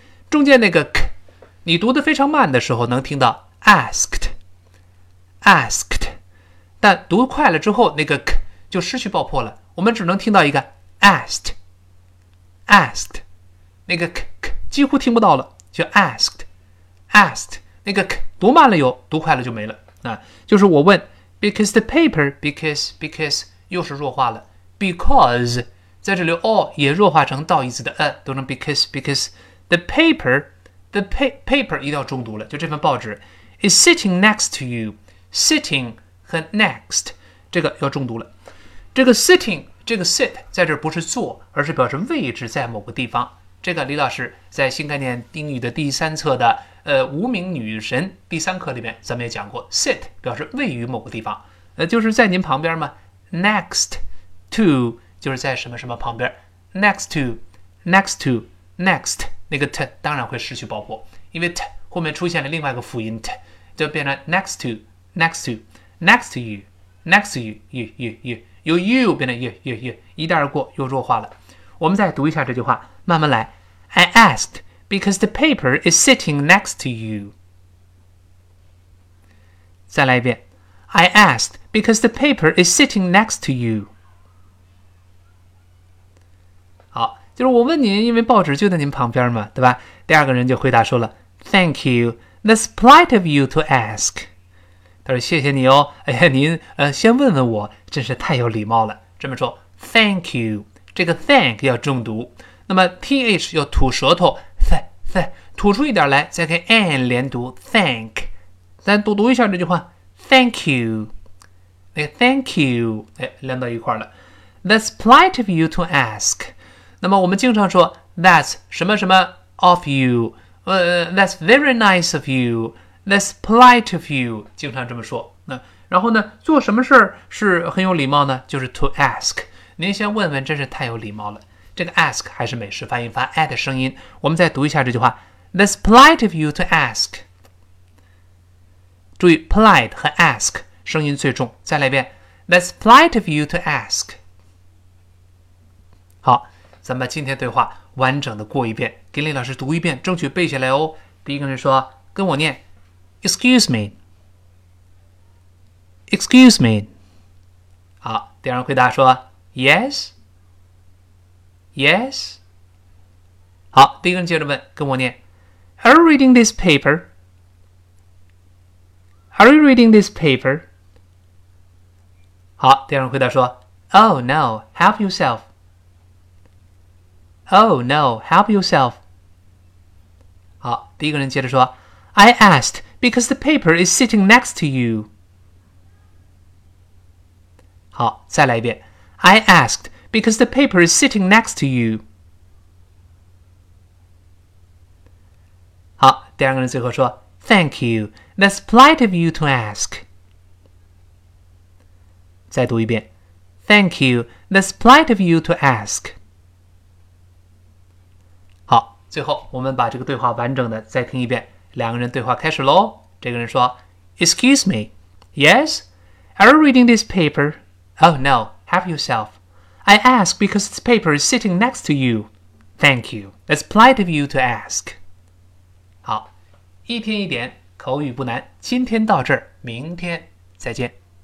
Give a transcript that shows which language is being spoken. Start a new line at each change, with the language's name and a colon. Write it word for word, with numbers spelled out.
Chinese: 中间那个 k 你读得非常慢的时候能听到 asked asked， 但读快了之后那个 k 就失去爆破了，我们只能听到一个 asked asked， 那个 k, k 几乎听不到了，叫 asked asked， 那个 k 读慢了有，读快了就没了。那就是我问 because the paper， because because 又是弱化了， because 在这里 all 也弱化成倒一字的 a， 都能 because because the paper the pa- paper 一定要重读了，就这份报纸
English: is sitting next to you，
Chinese: sitting 和 next 这个要重读了。这个 sitting 这个 sit 在这不是坐，而是表示位置在某个地方，这个李老师在新概念英语的第三册的呃，无名女神第三课里面咱们也讲过 sit 表示位于某个地方，呃，就是在您旁边嘛， next to 就是在什么什么旁边， next to next to next 那个 t 当然会失去爆破，因为 t 后面出现了另外一个辅音 t， 就变成 next to next to next to you next to you you you you 由 you 变成 you you you 一带而过，又弱化了。我们再读一下这句话，慢慢来。
English: I asked because the paper is sitting next to you。
Chinese: 再来一遍。
English: I asked because the paper is sitting next to you。
Chinese: 好，就是我问您，因为报纸就在您旁边嘛，对吧？第二个人就回答说了
English: Thank you, that's polite of you to ask。
Chinese: 他说谢谢你哦，哎呀，您呃先问问我，真是太有礼貌了。这么说 Thank you， 这个 thank 要重读，那么 th 要吐舌头，吐出一点来，再跟 an 连读 thank， 咱读读一下这句话
English: thank you，
Chinese: 那个 thank you 连到一块了。
English: That's polite of you to ask。
Chinese: 那么我们经常说
English: that's 什么什么 of you 呃、uh, That's very nice of you. That's polite of you.
Chinese: 经常这么说。那然后呢，做什么事儿是很有礼貌呢？就是
English: to ask。
Chinese: 您先问问，真是太有礼貌了。这个 ask 还是美式发音发 a 的声音。我们再读一下这句话
English: ：That's polite of you to ask。
Chinese: 注意 polite 和 ask 声音最重。再来一遍
English: ：That's polite of you to ask。
Chinese: 好，咱们把今天对话完整的过一遍，给李老师读一遍，争取背下来哦。第一个人说：“跟我念 ，
English: Excuse me。” Excuse me.
Chinese: 好，第二人回答说
English: Yes. Yes.
Chinese: 好，第一个人接着问，跟我念
English: Are you reading this paper? Are you reading this paper?
Chinese: 好，第二人回答说
English: Oh no, help yourself. Oh no, help yourself.
Chinese: 好，第一个人接着说
English: I asked because the paper is sitting next to you.
Chinese: 好，再来一遍
English: I asked because the paper is sitting next to you.
Chinese: 好，第二个人最后说
English: Thank you, that's polite of you to ask.
Chinese: 再读一遍
English: Thank you, that's polite of you to ask.
Chinese: 好，最后我们把这个对话完整的再听一遍，两个人对话开始咯。这个人说
English: Excuse me, yes? Are you reading this paper? Oh no, help yourself. I ask because this paper is sitting next to you. Thank you. It's polite of you to ask.
Chinese: 好，一天一点，口语不难。今天到这儿，明天再见。